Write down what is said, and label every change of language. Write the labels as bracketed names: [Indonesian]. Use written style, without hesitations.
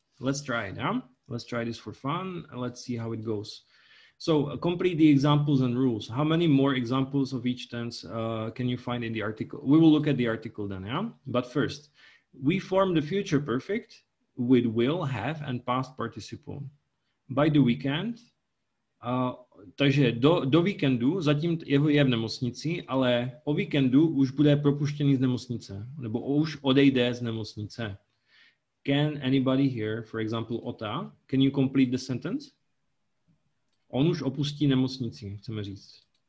[English] Let's try it. Huh? Let's try this for fun. Let's see how it goes. So complete the examples and rules. How many more examples of each tense can you find in the article? We will look at the article then. Yeah? But first, we form the future perfect with will, have, and past participle. By the weekend, [Czech] takže do víkendu, zatím je v nemocnici, ale o víkendu už bude propuštěný z nemocnice, nebo už odejde z nemocnice. [English] Can anybody here, for example, Ota, can you complete the sentence? [Czech] On už opustí nemocnici, chceme říct.